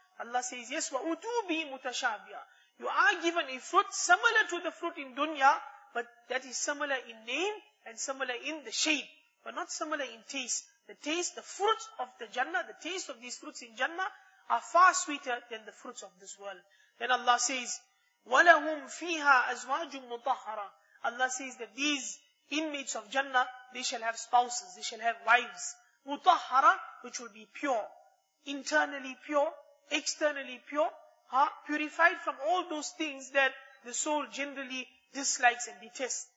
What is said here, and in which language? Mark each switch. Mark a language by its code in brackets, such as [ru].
[en] Allah says, yes, [ar] وَأُتُوا بِهِ مُتَشَابِيًا. [en] You are given a fruit similar to the fruit in dunya, but that is similar in name and similar in the shape, but not similar in taste. The taste, the fruits of the Jannah, the taste of these fruits in Jannah are far sweeter than the fruits of this world. Then Allah says, [ar] وَلَهُمْ فِيهَا أَزْوَاجٌ مُطَهَّرَةٌ. [en] Allah says that these inmates of Jannah, they shall have spouses, they shall have wives. مُطَهَّرَةٌ, which will be pure, internally pure, externally pure, purified from all those things that the soul generally dislikes and detests.